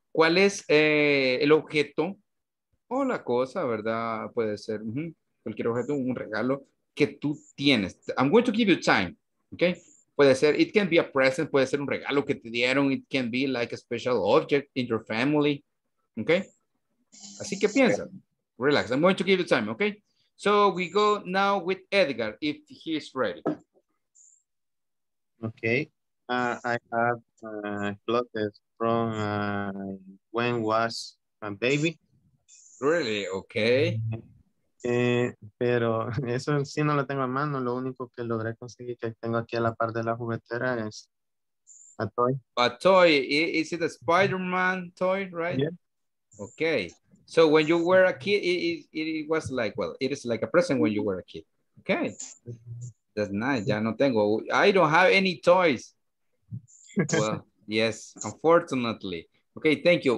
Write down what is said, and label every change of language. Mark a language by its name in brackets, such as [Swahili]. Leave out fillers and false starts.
[Spanish] ¿Cuál es el objeto o la cosa, verdad? Puede ser cualquier objeto, un regalo que tú tienes. [English] I'm going to give you time. [Spanish] Okay. Puede ser, [English] it can be a present, [Spanish] puede ser un regalo que te dieron. [English] It can be like a special object in your family. Okay. [Spanish] Así que piensa. [English] Relax. I'm going to give you time. Okay. So we go now with Edgar, if he's ready. Okay. I have clothes from when was a baby. Really? Okay. [Spanish] Pero eso sí no lo tengo a mano. Lo único que logré conseguir que tengo aquí a la par de la juguetera es [English] a toy. A toy. Is it a Spider-Man toy, right? Yeah. Okay. So when you were a kid, it was like, well, it is like a present when you were a kid. Okay. That's nice. [Spanish] Ya no tengo. [English] I don't have any toys. Well, yes, unfortunately. Okay, thank you.